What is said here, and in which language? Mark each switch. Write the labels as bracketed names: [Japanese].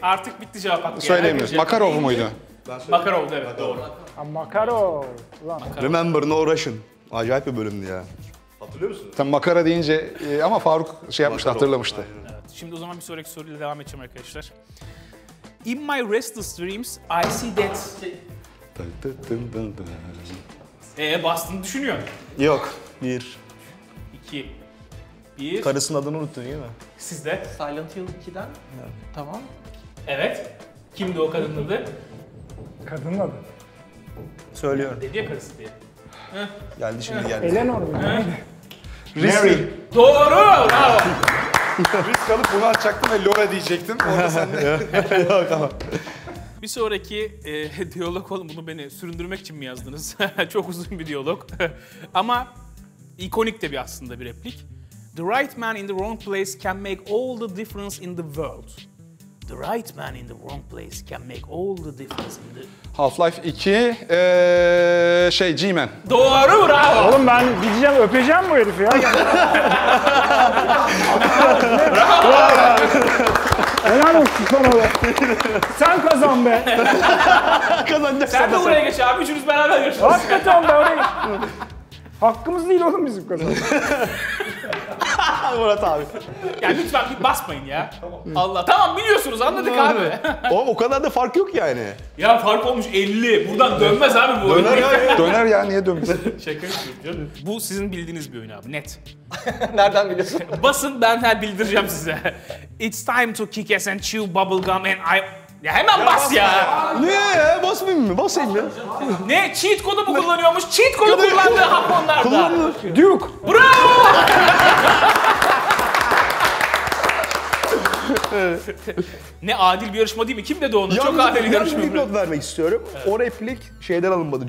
[Turkish] Artık bitti cevap hakkı. Söyleyeyim mi? Makarov muydu? Makarov evet doğru. Makarov. [English] Remember no Russian. [Turkish] Acayip bir bölümdü ya. Hatırlıyor musun? Tam makara deyince ama Faruk şey yapmıştı, hatırlamıştı. Evet, şimdi o zaman bir sonraki soruyla devam edeceğim arkadaşlar. [English] In my restless dreams I see that... [Turkish] bastığını düşünüyor musun? Yok. Bir. İki. Bir. Karısının adını unuttun değil mi? Siz de. Silent Hill 2'den. Evet. Tamam. Evet. Kimdi o kadının adı? Kadının adı. Söylüyorum. Dedi ya karısı diye. Heh. Geldi şimdi geldi. Eleanor mu? Mary. Doğru! Bravo! Risk kalıp bunu açacaktım ve Laura diyecektim. Orada sen de. Tamam. Bir sonraki diyalog, oğlum bunu beni süründürmek için mi yazdınız? Çok uzun bir diyalog. Ama ikonik de bir aslında bir replik. [English] The right man in the wrong place can make all the difference in the world. The right man in the wrong place can make all the difference in the... [Turkish] Half-Life 2, G-Man. Doğru, bravo! Oğlum ben gideceğim, öpeceğim bu herifi ya. Bravo! Helal olsun sana be. Sen kazan be. Kazanacaksın. Sen de buraya geç abi, üçünüz beraber görüşürüz. Hakikaten be, oraya geç. Hakkımız değil oğlum bizim kazanmamız. Murat abi. Ya lütfen bir basmayın ya. Tamam. Allah. Tamam biliyorsunuz, anladık abi. Oğlum o kadar da fark yok yani. Ya fark olmuş 50. Buradan dönmez abi bu oyun. Döner ya, niye dönmez? Şaka yapıyorum. Bu sizin bildiğiniz bir oyun abi, net. Nereden biliyorsun? Basın, ben her bildireceğim size. [English] It's time to kick ass and chew bubblegum and I... [Turkish] Ya hemen ya bas ya. Niye ya? Basmayayım mı? Basayım mı? Ne? Cheat kodu mu kullanıyormuş? Cheat kodu kullandı hap onlarda. Kullanılır. Duke. Bravo! Ne adil bir yarışma değil mi? Kim dedi onu? Yalnız, çok adil bir yarışma. Bir not vermek istiyorum. Evet. O replik şeyden alınmadı.